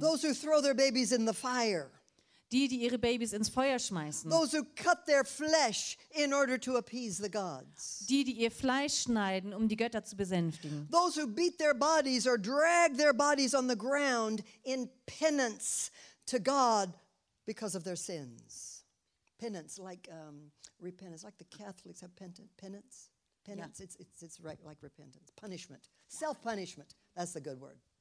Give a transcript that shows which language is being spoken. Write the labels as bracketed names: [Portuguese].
[English] Those who throw their babies in the fire. [German] Die, die ihre Babys ins Feuer schmeißen. [English] Those who cut their flesh in order to appease the gods. [German] Die, die ihr Fleisch schneiden, um die Götter zu besänftigen. [English] Those who beat their bodies or drag their bodies on the ground in penance to God because of their sins. Penance, like repentance, like the Catholics have penance. Penance, yeah. It's right, like repentance. Punishment, self-punishment, that's the good word.